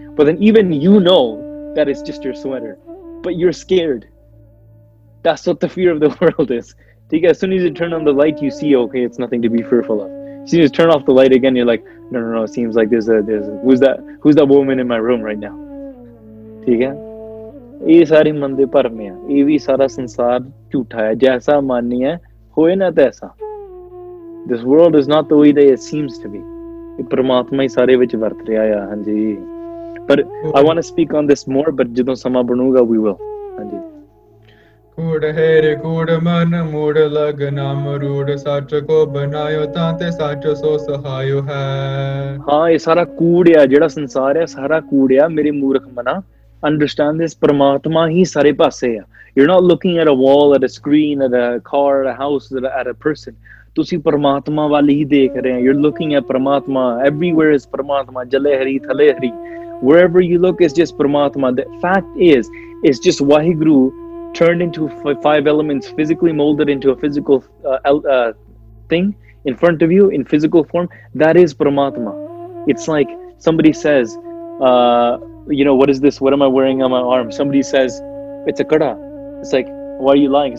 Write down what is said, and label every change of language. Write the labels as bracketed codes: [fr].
[en] But then even you know that it's just your sweater. But you're scared. That's what the fear of the world is. As soon as you turn on the light, you see, okay, it's nothing to be fearful of. As soon as you turn off the light again, you're like, no, it seems like there's a, who's that woman in my room right now? [pa] ਠੀਕ ਹੈ ਇਹ ਸਾਰੇ ਮਨ ਦੇ ਭਰਮ ਆ ਇਹ ਵੀ ਸਾਰਾ ਸੰਸਾਰ ਝੂਠਾ ਹੈ ਜੈਸਾ ਮਨ ਨਹੀਂ ਹੈ ਹੋਏ ਨਾ ਤੈਸਾ [en] this world is not the way they it seems to be [pa] ਇਹ ਪਰਮਾਤਮਾ ਹੀ ਸਾਰੇ ਵਿੱਚ ਵਰਤ ਰਿਹਾ ਆ ਹਾਂਜੀ ਪਰ [en] I want to speak on this more but [pa] ਜਦੋਂ ਸਮਾਂ ਬਣੂਗਾ [en] we will [pa] ਹਾਂਜੀ ਕੂੜ ਹੈ ਰੇ ਕੂੜ ਮਨ ਮੂੜ ਲਗ ਨਾਮ ਰੂੜ ਸੱਚ ਕੋ ਬਣਾਇਓ ਤਾਂ ਤੇ ਸੱਚ ਸੋ ਸਹਾਇਓ ਹੈ ਹਾਂ ਇਹ ਸਾਰਾ ਕੂੜ ਆ ਜਿਹੜਾ ਸੰਸਾਰ ਆ ਸਾਰਾ ਕੂੜ ਆ ਮੇਰੇ ਮੂਰਖ ਮਨਾ [en] understand this [pa] ਪਰਮਾਤਮਾ ਹੀ ਸਾਰੇ ਪਾਸੇ ਆ [en] you are not looking at a wall at a screen at a car at a house at a person [pa] ਤੁਸੀਂ ਪਰਮਾਤਮਾ ਵੱਲ ਹੀ ਦੇਖ ਰਹੇ ਹੋ, [en] you are looking at Paramatma, everywhere is Paramatma, [pa] ਜਲੇ ਹਰੀ ਥਲੇ ਹਰੀ, [en] Wherever you look is just Paramatma. The fact is it's just Waheguru turned into five elements, physically molded into a physical thing in front of you, in physical form, that is Paramatma. It's like somebody says, you know, what is this? What am I wearing on my arm? Somebody says, it's a kada. It's like, why are you lying?